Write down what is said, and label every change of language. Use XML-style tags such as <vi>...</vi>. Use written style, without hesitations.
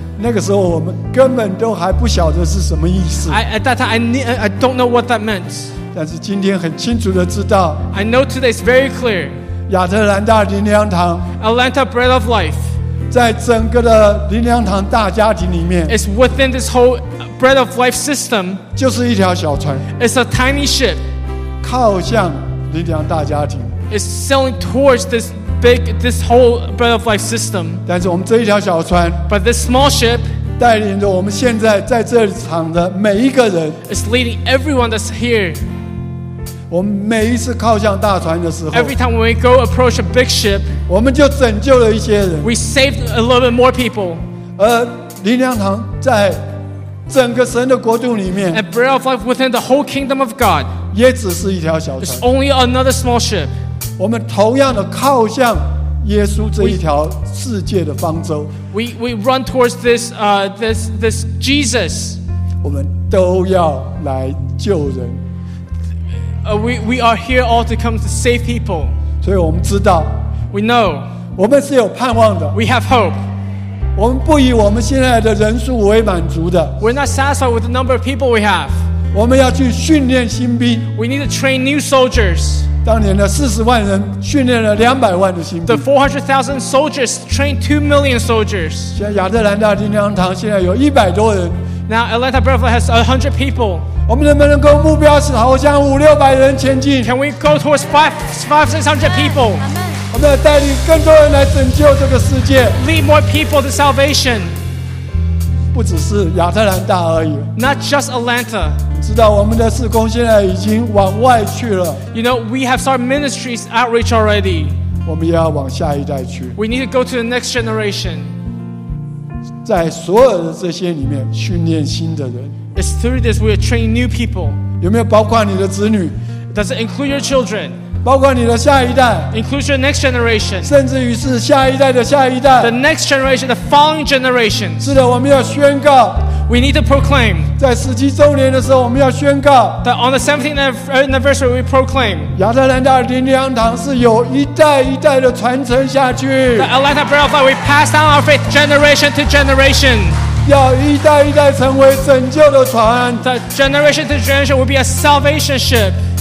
<zh>那个时候我们根本都还不晓得是什么意思</zh> <en>At that time I don't know what that meant</en> <zh>但是今天很清楚的知道</zh> <en>I know today is very clear</en> <zh>亚特兰大灵粮堂</zh> <en>Atlanta Bread of Life</en> <zh>在整个的灵粮堂大家庭里面</zh> <en>It's within this whole bread of life system</en> <zh>就是一条小船</zh> <en>It's a tiny ship</en> <zh>靠向灵粮大家庭</zh> <en>It's sailing towards this whole bread of life system</en> <zh>但是我们这一条小船</zh> <en>But this small ship</en> <zh>带领着我们现在在这场的每一个人</zh> <en>It's leading everyone that's here</en> <zh>我们每一次靠向大船的时候</zh> <en>Every time when we go approach a big ship</en> <zh>我们就拯救了一些人</zh> <en>We saved a little bit more people</en> <zh>而灵粮堂在整个神的国度里面</zh> <en>And bread of life within the whole kingdom of God</en> <zh>也只是一条小船</zh> <en>It's only another small ship</en> <zh>我们同样的靠向耶稣这一条世界的方舟</zh> <en>We run towards this Jesus</en> <zh>我们都要来救人</zh> <en>We are here all to come to save people</en> <zh>所以我们知道</zh> <en>We know.</en> <zh>我们是有盼望的。</zh> <en>We have hope.</en> <zh>我们不以我们现在的人数为满足的。</zh> <en>We're not satisfied with the number of people we have.</en> <zh>我们要去训练新兵。</zh> <en>We need to train new soldiers.</en> <zh>当年的40万人训练了200万的新兵。</zh> <en>The 400,000 soldiers trained 2 million soldiers.</en> <zh>现在亚特兰大灵粮堂现在有100多人。</zh> <en>Now Atlanta Bethel has 100 people.</en> <zh>我们能不能够目标是好像500-600人前进</zh> <en>Can we go towards 500-600 people?</en> <zh>我们要带领更多人来拯救这个世界</zh> <en>Lead more people to salvation</en> <zh>不只是亚特兰大而已</zh> <en>Not just Atlanta</en> <zh>知道我们的事工现在已经往外去了</zh> <en>You know, we have started ministries outreach already</en> <zh>我们也要往下一代去</zh> <en>We need to go to the next generation</en> <zh>在所有的这些里面训练新的人</zh> <en>It's through this we are training new people.</en> <zh>有没有包括你的子女?</zh> <en>Does it include your children?</en> <zh>包括你的下一代?</zh> <en>Includes your next generation.</en> <zh>甚至于是下一代的下一代。</zh> <en>The next generation, the following generation.</en> <zh>是的，我们要宣告。</zh> <en>We need to proclaim.</en> <zh>在17周年的时候，我们要宣告。</zh> <en>That on the 17th anniversary, we proclaim.</en> <zh>亚特兰大灵粮堂是有一代一代的传承下去。</zh> <en>The Atlanta Bread of Life, we pass down our faith generation to generation.</en> <zh>要一代一代成为拯救的船</zh> <en>The generation to generation will be a salvation ship</en>